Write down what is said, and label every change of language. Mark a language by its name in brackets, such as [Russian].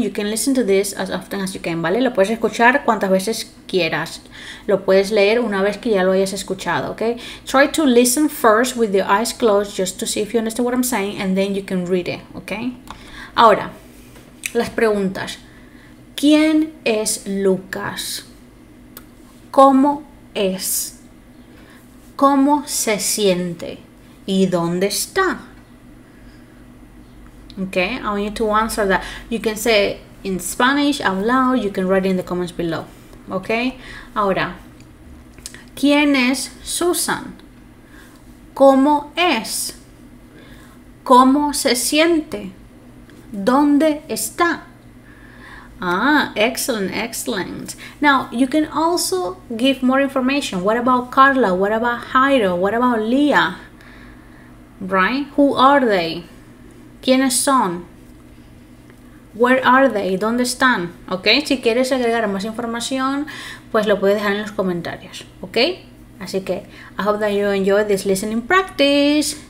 [English] You can listen to this as often as you can, ¿vale? [Spanish] Lo puedes escuchar cuantas veces quieras. Lo puedes leer una vez que ya lo hayas escuchado, ¿ok? [English] Try to listen first with your eyes closed just to see if you understand what I'm saying and then you can read it, ¿ok? [Spanish] Ahora, las preguntas. ¿Quién es Lucas? ¿Cómo es? ¿Cómo se siente? ¿Y dónde está? [English] Okay, I want you to answer that. You can say in Spanish out loud, you can write it in the comments below. [Spanish] Okay, ahora, ¿quién es Susan? ¿Cómo es? ¿Cómo se siente? ¿Dónde está? Ah, [English] excellent, excellent. Now, you can also give more information. What about Carla? What about Jairo? What about Leah? Right? Who are they? [Spanish] ¿Quiénes son? [English] Where are they? [Spanish] ¿Dónde están? [English] ¿Ok? [Spanish] Si quieres agregar más información, pues lo puedes dejar en los comentarios. [English] ¿Ok? [Spanish] Así que, [English] I hope that you enjoy this listening practice.